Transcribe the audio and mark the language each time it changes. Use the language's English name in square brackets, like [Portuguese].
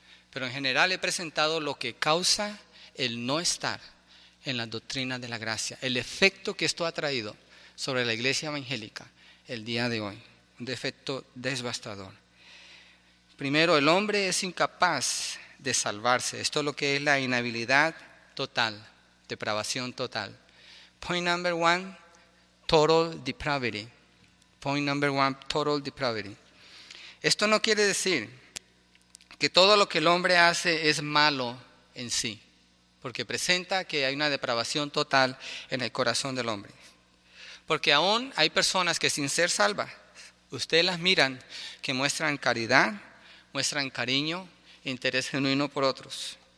[Spanish] Pero en general he presentado lo que causa el no estar en las doctrinas de la gracia, el efecto que esto ha traído sobre la iglesia evangélica el día de hoy, un defecto devastador. Primero, el hombre es incapaz de salvarse. Esto es lo que es la inhabilidad total, depravación total. [English] Point number one, total depravity. Point number one, total depravity. [Spanish] Esto no quiere decir que todo lo que el hombre hace es malo en sí, porque presenta que hay una depravación total en el corazón del hombre. Porque aún hay personas que sin ser salvas, ustedes las miran, que muestran caridad, muestran cariño, interés genuino por otros.